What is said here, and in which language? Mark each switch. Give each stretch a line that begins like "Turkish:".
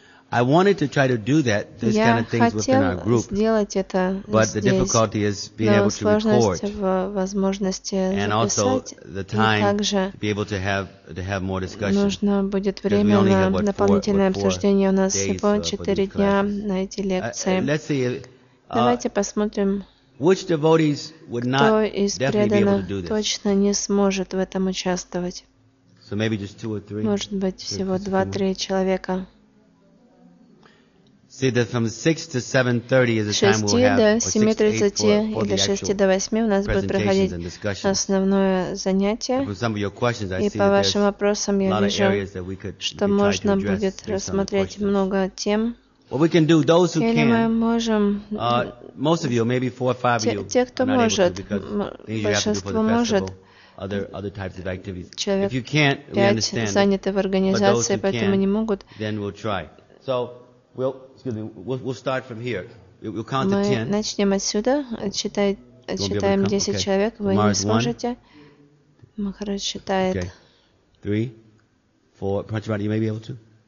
English: I wanted to try to do that, these
Russian: Я
English: kind of things within our group. But the difficulty is being able to record. And also the time to be able to have more discussion.
Russian: Нужно будет время на дополнительное обсуждение. У нас всего 4 дня на эти лекции. Давайте посмотрим,
English: which devotees would not definitely be able to do this.
Russian: Точно не сможет в этом участвовать.
English: So maybe just 2 or 3.
Russian: Может быть, всего 2-3 человека.
English: See that from 6 to 7:30 is the time we'll have.
Russian: 6:30 или 6 до 8 у нас будет проходить основное занятие. И по вашим вопросам я вижу, что можно будет рассмотреть много тем.
English: What we can do, those who
Russian: или мы можем,
English: most of you, maybe 4 or 5 of you,
Russian: те, кто может, большинство может.
English: Other types of activities.
Russian: Человек 5 заняты в организации, поэтому не могут.
English: Then we'll try. So we'll. We'll start from here. We'll count
Russian: Мы
English: to 10.
Russian: Начнем отсюда, отсчитаем 10 человек, вы не сможете. Махарадж считает.
English: Three, four, Panchamati, you may be able to.